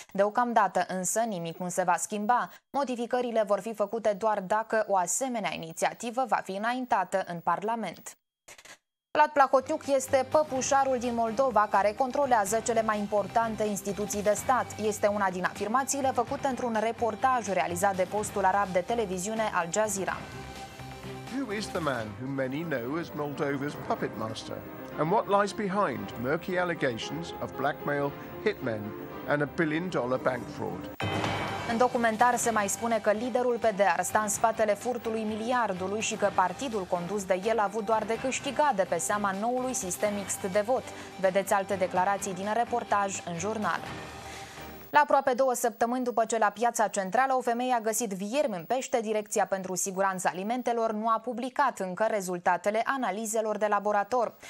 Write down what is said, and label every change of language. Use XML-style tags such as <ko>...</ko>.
<ro>Deocamdată însă nimic nu se va schimba. Modificările vor fi făcute doar dacă o asemenea inițiativă va fi înaintată în Parlament. Vlad Plahotniuc este păpușarul din Moldova care controlează cele mai importante instituții de stat. Este una din afirmațiile făcute într-un reportaj realizat de postul arab de televiziune Al Jazeera.</ro> <en>Who is the man who many know as Moldova's puppet master? And what lies behind murky allegations of blackmail, hitmen and $1 billion bank fraud?</en> <ro>În documentar se mai spune că liderul PDR stă în spatele furtului miliardului și că partidul condus de el a avut doar de câștigat de pe seama noului sistem mixt de vot. Vedeți alte declarații din reportaj în jurnal. La aproape 2 săptămâni după ce la Piața Centrală o femeie a găsit viermi în pește, Direcția pentru Siguranța Alimentelor nu a publicat încă rezultatele analizelor de laborator.</ro>